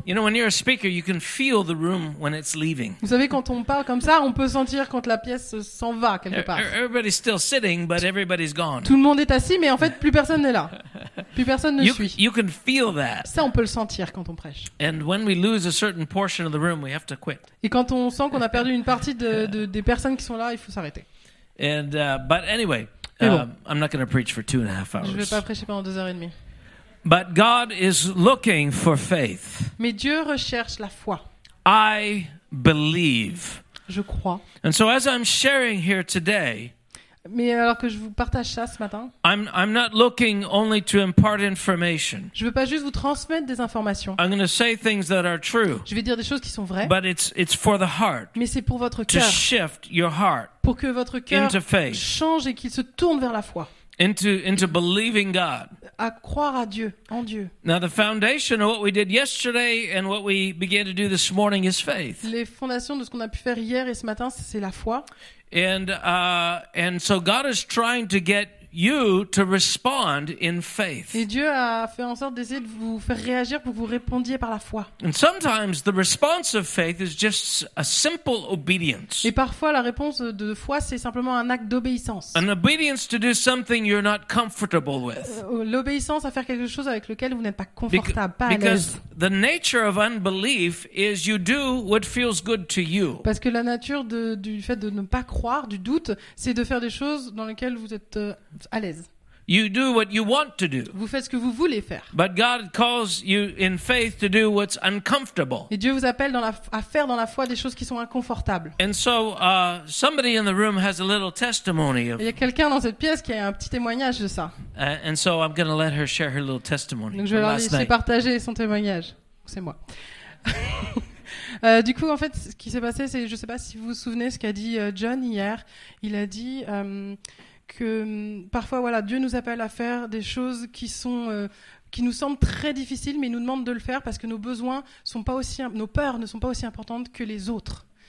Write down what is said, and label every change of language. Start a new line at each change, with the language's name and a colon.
English: You know, when you're a speaker, you can feel the room when it's leaving.
French: Vous savez, quand on parle comme ça, on peut sentir quand la pièce s'en va quelque part.
English: Everybody's still sitting, but everybody's gone.
French: Tout le monde est assis, mais en fait, plus personne n'est là. Plus personne ne suit.
English: You can feel that.
French: Ça, on peut le sentir quand on prêche.
English: And when we lose a certain portion of the room, we have to quit.
French: Et quand on sent qu'on a perdu une partie des personnes qui sont là, il faut s'arrêter.
English: And but anyway, I'm not going to preach for 2.5 hours.
French: Je vais pas prêcher pendant 2h30.
English: But God is looking for faith.
French: Mais Dieu recherche la foi.
English: I believe.
French: Je crois.
English: And so as I'm sharing here today.
French: Mais alors que je vous partage ça ce matin.
English: I'm not looking only to impart information.
French: Je veux pas juste vous transmettre des informations.
English: I'm going to say things that are true.
French: Je vais dire des choses qui sont vraies.
English: But it's for the heart.
French: Mais c'est pour votre cœur.
English: To shift your heart.
French: Pour que votre cœur change et qu'il se tourne vers la foi.
English: Into believing God.
French: À croire à Dieu, en Dieu.
English: Now the foundation of what we did yesterday and what we began to do this morning is faith.
French: Les fondations de ce qu'on a pu faire hier et ce matin, c'est la foi.
English: And so God is trying to get you to respond in faith.
French: Et Dieu a fait en sorte d'essayer de vous faire réagir pour que vous répondiez par la foi.
English: And sometimes the response of faith is just a simple obedience.
French: Et parfois la réponse de foi c'est simplement un acte d'obéissance.
English: An obedience to do something you're not comfortable with.
French: L'obéissance à faire quelque chose avec lequel vous n'êtes pas confortable, pas à l'aise.
English: Because the nature of unbelief is you do what feels good to you.
French: Parce que la nature du fait de ne pas croire, du doute, c'est de faire des choses dans lesquelles vous êtes à l'aise.
English: You do what you want to do.
French: Vous faites ce que vous voulez faire.
English: But God calls you in faith to do what's uncomfortable.
French: Et Dieu vous appelle à faire dans la foi des choses qui sont inconfortables.
English: And so somebody in the room has a little testimony of.
French: Il y a quelqu'un dans cette pièce qui a un petit témoignage de ça.
English: And so I'm going to let her share her little testimony.
French: Donc je vais la laisser partager son témoignage. C'est moi. Du coup, en fait, ce qui s'est passé, c'est, je ne sais pas si vous vous souvenez ce qu'a dit John hier. Il a dit. Que parfois, voilà, Dieu nous appelle à faire des choses qui nous semblent très difficiles, mais il nous demande de le faire parce que nos besoins sont pas aussi, nos peurs ne sont pas aussi importantes que les autres.